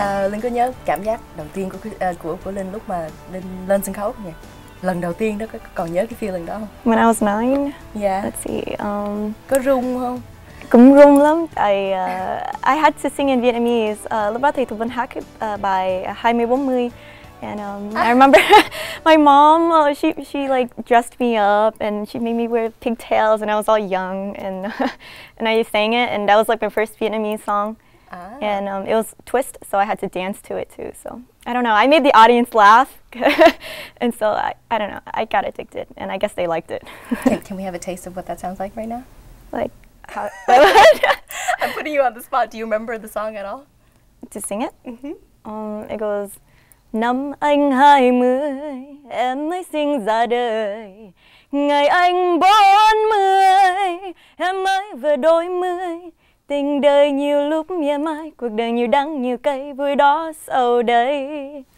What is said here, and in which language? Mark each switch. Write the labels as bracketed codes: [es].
[vi] Linh có nhớ cảm giác đầu tiên của Linh lúc mà Linh lên sân khấu nhỉ? Lần đầu tiên đó, còn nhớ cái feeling đó không? [en] When I was 9? Yeah. Let's see. [vi] Có rung không? Cũng rung lắm. [en] I had to sing in Vietnamese. [vi] Lúc đó thì tôi vẫn hát bài 2040. [en] And I remember my mom, she like dressed me up and she made me wear pigtails and I was all young. And I sang it and that was like my first Vietnamese song. Ah. And it was twist, so I had to dance to it too. So I don't know. I made the audience laugh, and so I don't know. I got addicted, and I guess they liked it. Can we have a taste of what that sounds like right now? Like, I'm putting you on the spot. Do you remember the song at all? To sing it? Mm-hmm. It goes, [vi] Năm anh 20, em mới sinh ra đời. Ngày anh 40, em mới vừa đôi mươi. Tình đời nhiều lúc mỉa mai, cuộc đời nhiều đắng nhiều cay, vui đó sầu đây.